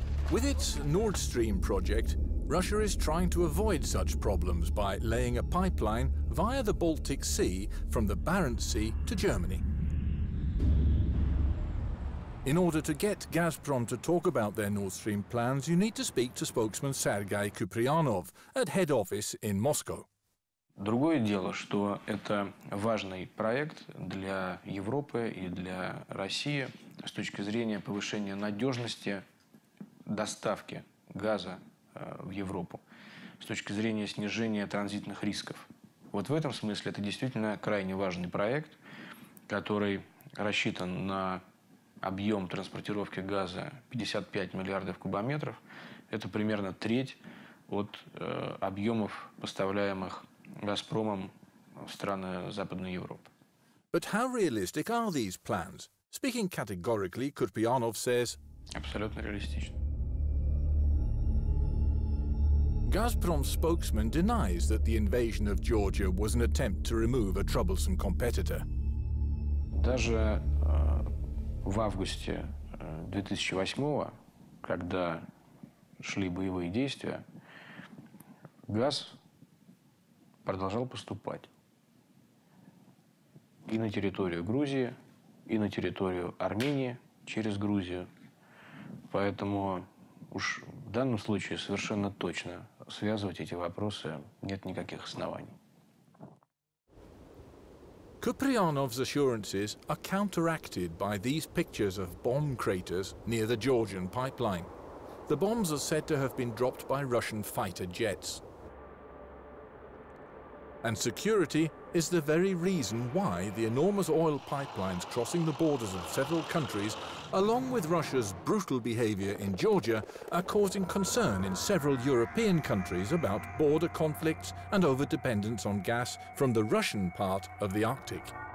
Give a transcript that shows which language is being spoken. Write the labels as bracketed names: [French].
[English] With its Nord Stream project, Russia is trying to avoid such problems by laying a pipeline via the Baltic Sea from the Barents Sea to Germany. In order to get Gazprom to talk about their Nord Stream plans, you need to speak to spokesman Sergei Kuprianov at head office in Moscow. [Russian] Другое дело, что это важный проект для Европы и для России с точки зрения повышения надежности доставки газа в Европу с точки зрения снижения транзитных рисков. Вот в этом смысле это действительно крайне важный проект, который рассчитан на объем транспортировки газа 55 миллиардов кубометров, это примерно треть от объемов, поставляемых «Газпромом» в страны Западной Европы. [English] But how realistic are these plans? Speaking categorically, Kurpianov says... [Russian] Абсолютно реалистично. [English] Gazprom's spokesman denies that the invasion of Georgia was an attempt to remove a troublesome competitor. [Russian] Даже в августе 2008-го, когда шли боевые действия, газ продолжал поступать и на территорию Грузии, и на территорию Армении через Грузию. Поэтому уж в данном случае совершенно точно связывать эти вопросы нет никаких оснований. [English] Kuprianov's assurances are counteracted by these pictures of bomb craters near the Georgian pipeline. The bombs are said to have been dropped by Russian fighter jets. And security is the very reason why the enormous oil pipelines crossing the borders of several countries, along with Russia's brutal behavior in Georgia, are causing concern in several European countries about border conflicts and overdependence on gas from the Russian part of the Arctic.